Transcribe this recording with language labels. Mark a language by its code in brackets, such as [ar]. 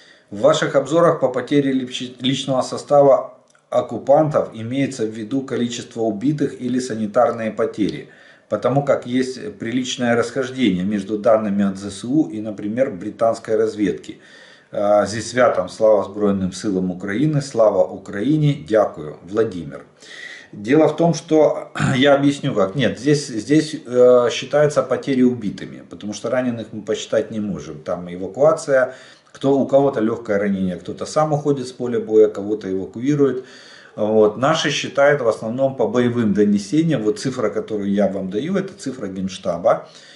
[ru] В ваших обзорах по потере личного состава оккупантов имеется в виду количество убитых или санитарные потери, потому как есть приличное расхождение между данными от ЗСУ и, например, британской разведки. [uk] Зі святом, слава Збройним силам України, слава Україні, дякую, Владимир. [ru] Дело в том, что я объясню как. Нет, здесь считается потери убитыми, потому что раненых мы посчитать не можем. Там эвакуация, у кого-то легкое ранение, кто-то сам уходит с поля боя, кого-то эвакуирует. Вот. Наши считают в основном по боевым донесениям. Вот цифра, которую я вам даю, это цифра Генштаба.